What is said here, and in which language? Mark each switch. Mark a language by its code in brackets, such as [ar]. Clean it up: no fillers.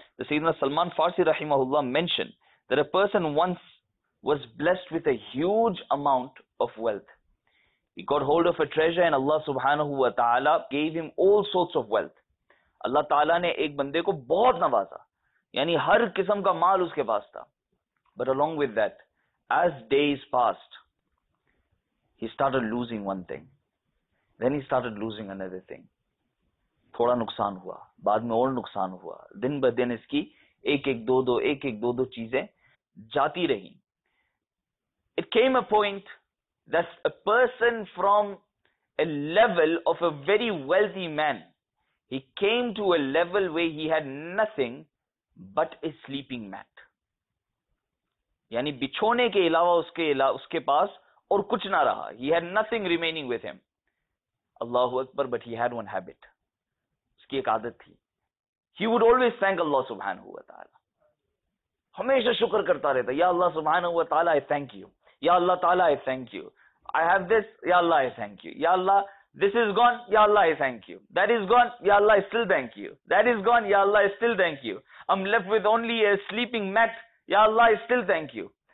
[en] The Sayyidina Salman Farsi rahimahullah mentioned that a person once was blessed with a huge amount of wealth. He got hold of a treasure and Allah subhanahu wa ta'ala gave him all sorts of wealth. [hi] Allah ta'ala ne ek bande ko bahut nawaza, यानी हर किस्म का माल उसके पास था। [en] But along with that, as days passed, he started losing one thing, then he started losing another thing. [hi] थोड़ा नुकसान हुआ, बाद में और नुकसान हुआ, दिन ब दिन इसकी एक एक दो दो, एक एक दो दो चीजें जाती रही। [en] it came a point that a person from a level of a very wealthy man, he came to a level way he had nothing but a sleeping mat, [hi] yani bichhone ke ilawa uske paas aur kuch na raha. [en] He had nothing remaining with him, Allahu Akbar, but he had one habit, [hi] uski ek aadat thi, [en] he would always thank Allah subhanahu wa taala, [hi] hamesha shukr karta rehta, [en] ya Allah subhanahu wa taala I thank you, ya Allah taala I thank you, I have this, ya Allah I thank you, ya Allah this is gone, ya Allah I thank you, that is gone, ya Allah I still thank you, that is gone, ya Allah I still thank you, I'm left with only a sleeping mat, ya Allah I still thank you.